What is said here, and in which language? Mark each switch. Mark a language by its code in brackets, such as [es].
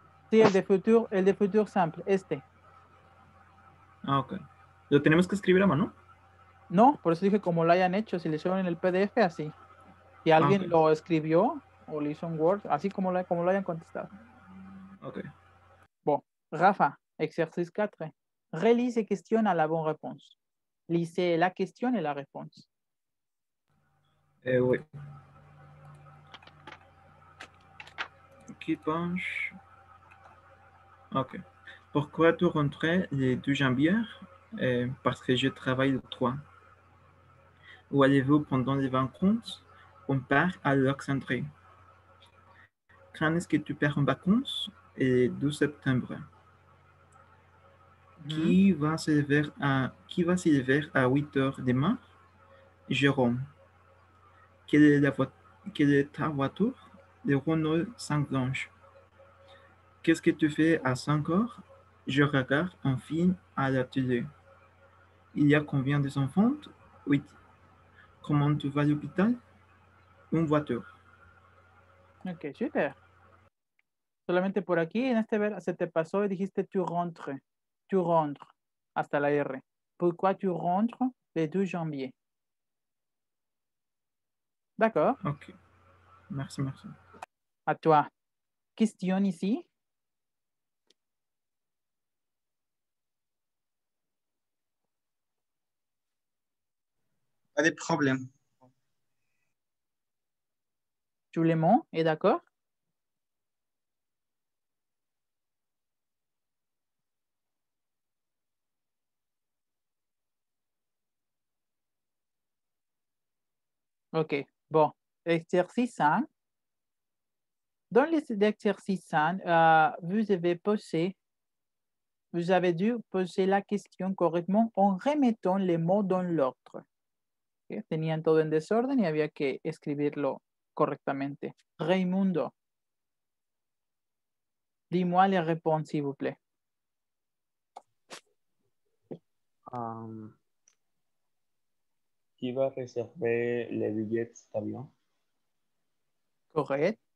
[es] Sí, el de futuro simple, este. Ah, ok. ¿Lo tenemos que escribir a mano? No, por eso dije como lo hayan hecho, si le hicieron en el PDF, así. Si alguien lo escribió o le hizo un Word, así como lo hayan contestado. Ok. [fr] Bon, Rafa, exercice 4. Relis la question à la bonne réponse. Lise la question et la réponse. Oui. Qui pense? Ok. Pourquoi tu rentrais les 2 janvier? Parce que je travaille le 3. Où allez-vous pendant les vacances? On part à l'Alexandrie. Quand est-ce que tu pars en vacances? Et 12 septembre. Qui va se lever à 8 heures demain? Jérôme. Quelle est ta voiture? Le Renault 5 Blanche. Qu'est-ce que tu fais à 5 heures? Je regarde un film à la télé. Il y a combien d'enfants? 8. Comment tu vas à l'hôpital? Une voiture. Ok, super. [es] Solamente por aquí, en este verbo, se te pasó y dijiste [fr] tu rentre, [es] hasta la R. ¿Por qué [fr] tu rentre le 2 janvier? D'accord. Ok. Merci. A toi. Question ici. Pas de problème. Tout le monde est d'accord? Ok, bon, exercice 1. Dans l'exercice 1, vous avez dû poser la question correctement en remettant les mots dans l'ordre. Okay. [es] Tenían todo en desorden y había que escribirlo correctamente. [fr] Raimundo, dis-moi la réponse, s'il vous plaît. Qui va réserver les billets d'avion? Correct.